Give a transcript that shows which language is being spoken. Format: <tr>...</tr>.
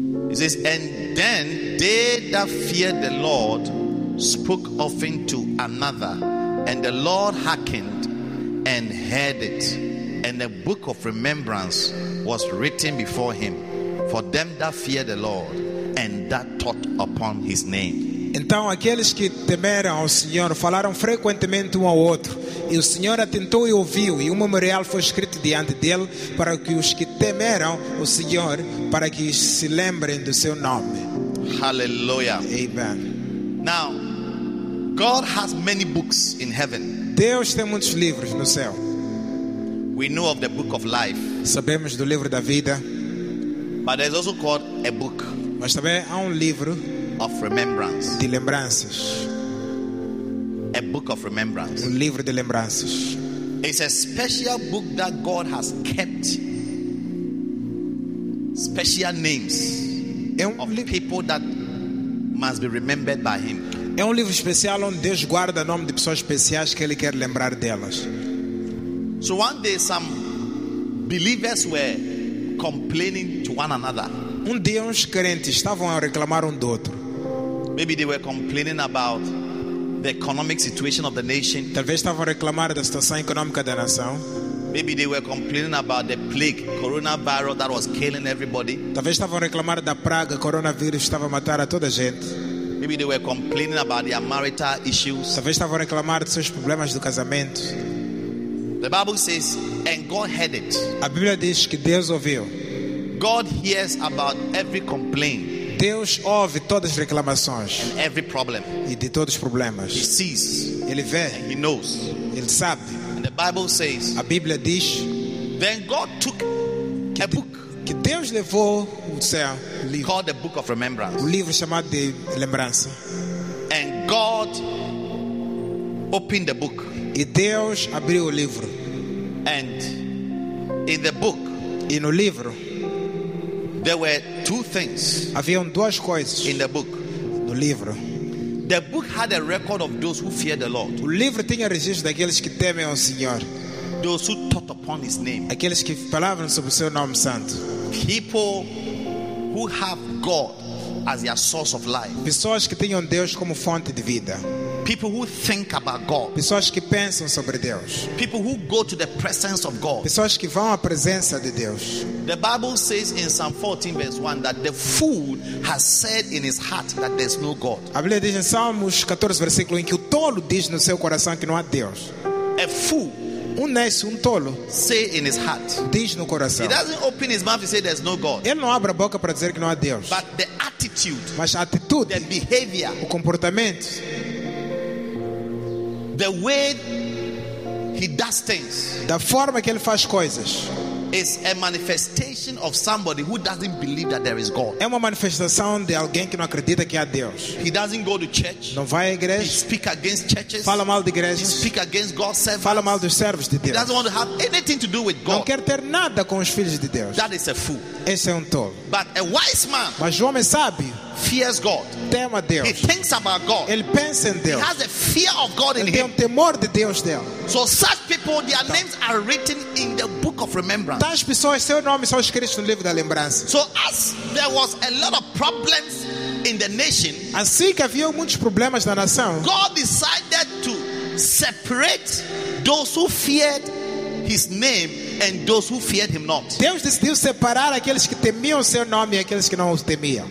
<en>It says, and then they that feared the Lord spoke often to another, and the Lord hearkened and heard it. And the book of remembrance was written before him for them that feared the Lord and that thought upon his name.</en> <pt>Então aqueles que temeram ao Senhor falaram frequentemente um ao outro, e o Senhor atentou e ouviu, e um memorial foi escrito diante dele para que os que temeram o Senhor, para que se lembrem do seu nome. Hallelujah. Amen.</pt> <en>Now, God has many books in heaven.</en> <pt>Deus tem muitos livros no céu.</pt> <en>We know of the book of life.</en> <pt>Sabemos do livro da vida.</pt> <en>But there's also called a book.</en> <pt>Mas também há livro</pt> <en>of remembrance.</en> <pt>De lembranças.</pt> <en>A book of remembrance.</en> <pt>Livro de lembranças.</pt> <en>It's a special book that God has kept special names of people that must be remembered by him.</en> <pt>É livro especial onde Deus guarda nome de pessoas especiais que ele quer lembrar delas.</pt> <en>So one day some believers were complaining to one another.</en> <pt>Dia uns crentes estavam a reclamar do outro.</pt> <en>Maybe they were complaining about the economic situation of the nation.</en> <pt>Talvez estavam a reclamar da situação econômica da nação.</pt> <en>Maybe they were complaining about the plague, coronavirus that was killing everybody.</en> <pt>Talvez estavam a reclamar da praga, coronavírus estava a matar a toda a gente.</pt> <en>Maybe they were complaining about their marital issues.</en> <pt>Talvez estavam a reclamar dos seus problemas do casamento.</pt> <en>The Bible says, and God heard it.</en> <pt>A Bíblia diz que Deus ouviu.</pt> <en>God hears about every complaint.</en> <pt>Deus ouve todas as reclamações.</pt> <en>And every problem.</en> <pt>E de todos os problemas.</pt> <en>He sees.</en> <pt>Ele vê.</pt> <en>And he knows.</en> <pt>Ele sabe.</pt> <en>And the Bible says,</en> <pt>a Bíblia diz,</pt> <en>then God took a book.</en> <pt>Que Deus levou o céu, livro.</pt> <en>Called the book of remembrance.</en> <pt>O livro chamado de lembrança.</pt> <en>And God opened the book.</en> <pt>E Deus abriu o livro.</pt> <en>And in the book,</en> <pt>e no livro,</pt> <en>there were two things.</en> <pt>Havia duas coisas.</pt> <en>In the book,</en> <pt>no livro,</pt> <en>the book had a record of those who feared the Lord.</en> <pt>O livro tinha registro daqueles que temem ao Senhor.</pt> <en>Those who thought upon his name.</en> <pt>Aqueles que falavam sobre o seu nome santo.</pt> <en>People who have God as their source of life.</en> <pt>Pessoas que tinham Deus como fonte de vida.</pt> <en>People who think about God.</en> <pt>Pessoas que pensam sobre Deus.</pt> <en>People who go to the presence of God.</en> <pt>Pessoas que vão à presença de Deus.</pt> <en>The Bible says in Psalm 14 verse 1 that the fool has said in his heart that there's no God.</en> <pt>A Bíblia diz em Salmos 14 versículo em que o tolo diz no seu coração que não há Deus.</pt> <en>A fool,</en> <pt>um tolo,</pt> <en>say in his heart.</en> <pt>Diz no coração.</pt> <en>He doesn't open his mouth to say there's no God.</en> <pt>Ele não abre a boca para dizer que não há Deus.</pt> <en>But the attitude,</en> <pt>mas a atitude,</pt> <en>the behavior,</en> <pt>o comportamento,</pt> <en>the way he does things,</en> <pt>da forma que ele faz coisas,</pt> <en>is a manifestation of somebody who doesn't believe that there is God.</en> <pt>É uma manifestação de alguém que não acredita que há Deus.</pt> <en>He doesn't go to church.</en> <pt>Não vai à igreja.</pt> <en>He speak against churches.</en> <pt>Fala mal de igrejas.</pt> <en>He speak against God's servants.</en> <pt>Fala mal dos servos de Deus.</pt> <en>He doesn't want to have anything to do with God.</en> <pt>Não quer ter nada com os filhos de Deus.</pt> <en>That is a fool.</en> <pt>Esse é tolo.</pt> <en>But a wise man.</en> <pt>Mas o homem sábio.</pt> <en>Fears God.</en> <pt>Tem a Deus.</pt> <en>He thinks about God.</en> <pt>Ele pensa em Deus.</pt> <en>He has a fear of God in</en> <pt>him. Tem temor de Deus dele.</pt> <en>So such people, their names are written in the book of remembrance.</en> <pt>Tais pessoas, seu nome são escritos no livro da lembrança.</pt> <en>So as there was a lot of problems in the nation,</en> <pt>assim que havia muitos problemas na nação,</pt> <en>God decided to separate those who feared his name and those who feared him not.</en> <pt>Deus decidiu separar aqueles que temiam seu nome e aqueles que não os temiam.</pt>